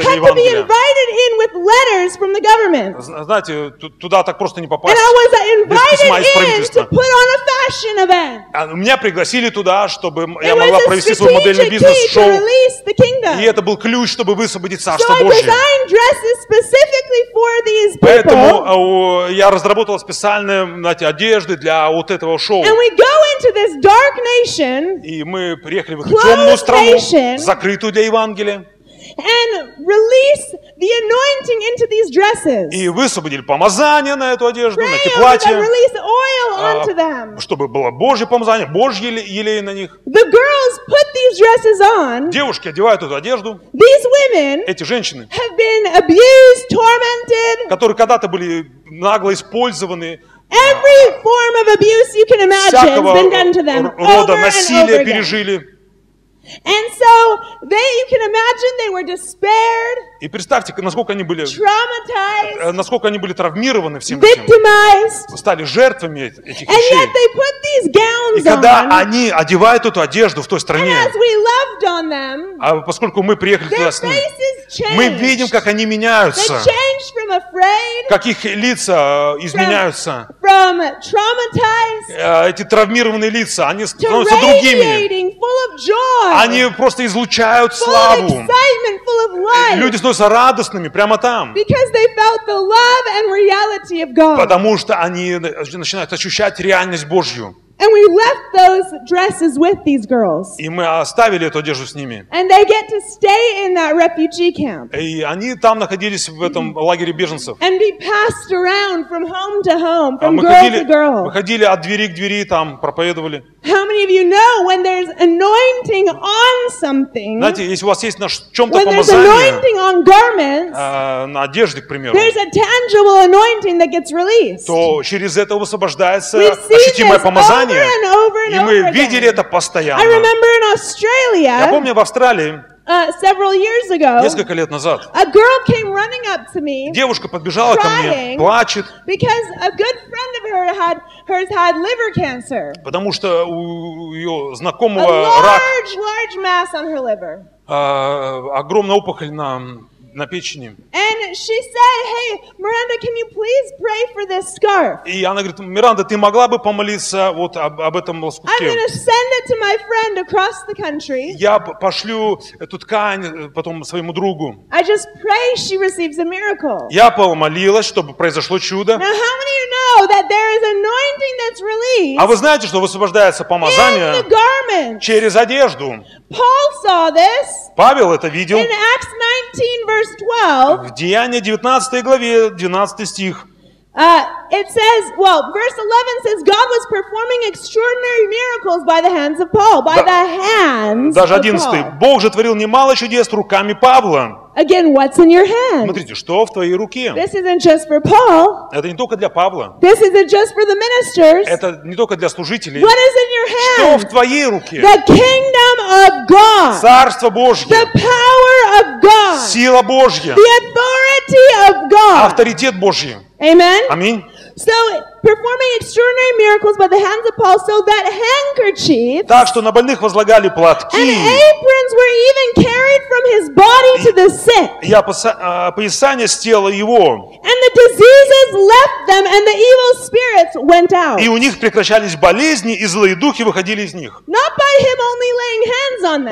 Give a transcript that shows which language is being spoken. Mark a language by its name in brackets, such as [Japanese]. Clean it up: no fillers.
[Russian] для Евангелия. [English] receive letters from the government. [Russian] Знаете, туда так просто не попасть. [English] And I was invited in to put on a fashion event. [Russian] Меня пригласили туда, чтобы я могла провести свой модельный бизнес шоу. И это был ключ, чтобы высвободить Царство Божие. [English] So I designed dresses specifically for these people. [Russian] Поэтому я разработал специальные, знаете, одежды для вот этого шоу. [English] And we go into this dark nation. [Russian] И мы приехали в эту темную страну, закрытую для Евангелия. [English] And release the anointing into these dresses. [Russian] И высвободили помазание на эту одежду, на эти платья. [English] And release oil onto them. [Russian] Чтобы было Божье помазание, Божье елей на них. [English] The girls put these dresses on. [Russian] Девушки одевают эту одежду. [English] These women, [Russian] эти женщины, [English] have been abused, tormented. [Russian] Которые когда-то были нагло использованы. [English] Every form of abuse you can imagine has been done to them over [Russian] рода насилия пережили. [English] And so they, you can imagine, they were despaired. [Russian] И представьте, насколько они были [English] traumatized, [Russian] насколько они были травмированы всем [English] victimized, [Russian] этим, стали жертвами этих вещей. [English] And yet they put these gowns [Russian] и когда [English] on, [Russian] они одевают эту одежду в той стране, [English] and as we loved on them, [Russian] а поскольку мы приехали туда с ними, мы видим, как они меняются, [English] they changed from afraid, [Russian] как их лица изменяются. [English] From traumatized, [Russian] эти травмированные лица, они становятся другими. [English] Full of joy, [Russian] они просто излучают славу. [English] Full of life, [Russian] люди становятся радостными прямо там. [English] Because they felt the love and reality of God. [Russian] Потому что они начинают ощущать реальность Божью. [English] And we left those dresses with these girls. [Russian] И мы оставили эту одежду с ними. [English] And they get to stay in that refugee camp. [Russian] И они там находились в этом лагере беженцев. [English] And be passed around from home to home, from girl to girl. [Russian] Мы ходили от двери к двери, там проповедовали. [English] How many of you know when there's anointing on something? [Russian] Знаете, если у вас есть на чем-то [English] when [Russian] помазание, [English] there's anointing on garments, [Russian] на одежде, к примеру, [English] there's a tangible anointing that gets released. [Russian] То через это высвобождается ощутимое помазание. [English] Over and over and [Russian] и мы [English] over [Russian] видели [English] again. [Russian] Это постоянно. [English] I remember in Australia, [Russian] я помню в Австралии, [English] several years ago, [Russian] несколько лет назад, [English] a girl came running up to me, [Russian] девушка подбежала [English] crying, [Russian] ко мне, плачет, [English] because a good friend of hers had liver cancer. [Russian] Потому что у ее знакомого рак. [English] A large, large mass on her liver. [Russian] Огромная опухоль на печени. [English] And she said, "Hey, Miranda, can you please pray for this scarf?" [Russian] И она говорит: "Миранда, ты могла бы помолиться вот об этом лоскутке?" [English] I'm going to send it to my friend across the country. [Russian] Я пошлю эту ткань потом своему другу. [English] I just pray she receives a miracle. [Russian] Я помолилась, чтобы произошло чудо. [English] Now, how many of you know that there is anointing that's released? [Russian] А вы знаете, что высвобождается помазание через одежду? [English] Paul saw this. [Russian] Павел это видел. [English] In Acts 19 verse 12. [Russian] В Деяния 19 главе 12 стих. [English] It says, well, verse 11 says God was performing extraordinary miracles by the hands of Paul, by the hands of Paul. [Russian] Даже 11. Бог же творил немало чудес руками Павла. [English] Again, what's in your hand? [Russian] Смотрите, что в твоей руке? [English] This isn't just for Paul. [Russian] Это не только для Павла. [English] This isn't just for the ministers. [Russian] Это не только для служителей. [English] What is in your hand? [Russian] Что в твоей руке? [English] The kingdom of God. [Russian] Царство Божье. [English] The power of God. [Russian] Сила Божья. [English] The authority of God. [Russian] Авторитет Божий. [English] Amen. Amen. So performing extraordinary miracles by the hands of Paul, so that handkerchiefs, [Russian] так что на больных возлагали платки, [English] and aprons were even carried from his body to the sick. [Russian] Я поясание с тела его. [English] And the diseases left them, and the evil spirits went out. [Russian] И у них прекращались болезни, и злые духи выходили из них. [English] Not by him only laying hands on them.